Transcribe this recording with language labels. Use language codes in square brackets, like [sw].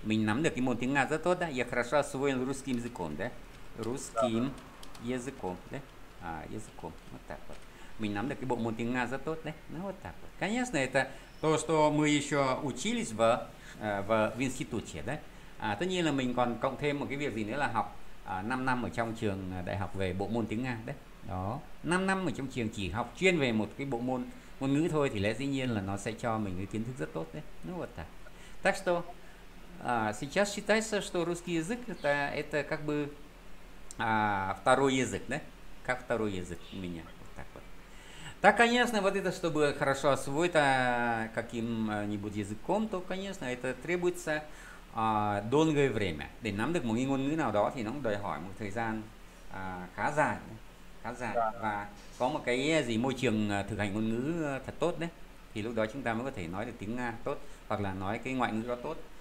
[vi] Mình nắm được cái môn tiếng Nga rất tốt đấy. [ru] Я хорошо освоил русским языком, да? Русским языком, да? Языком. Вот так вот. [vi] Mình nắm được cái bộ môn tiếng Nga rất tốt đấy. [ru] Вот так вот. Конечно, это то, что мы еще учились в институте, да? [vi] Tất nhiên là mình còn cộng thêm một cái việc gì nữa là học 5 năm ở trong trường đại học về bộ môn tiếng Nga đấy. Đó. 5 năm ở trong trường chỉ học chuyên về một cái bộ môn ngôn ngữ thôi thì lẽ dĩ nhiên là nó sẽ cho mình cái kiến thức rất tốt đấy. [ru] Вот так. Так что сейчас считается, что русский язык это как бы второй язык, да? Как второй язык у меня. Вот так вот. Так, конечно, вот это, чтобы хорошо освоить каким-нибудь языком, то, конечно, это требуется Долгое время. [vi] Để nắm được một cái ngôn ngữ nào đó thì nó cũng đòi hỏi một thời gian khá dài, khá dài, và có một cái gì môi trường thực hành ngôn ngữ thật tốt đấy, thì lúc đó chúng ta mới có thể nói được tiếng Nga tốt hoặc là nói cái ngoại ngữ đó tốt.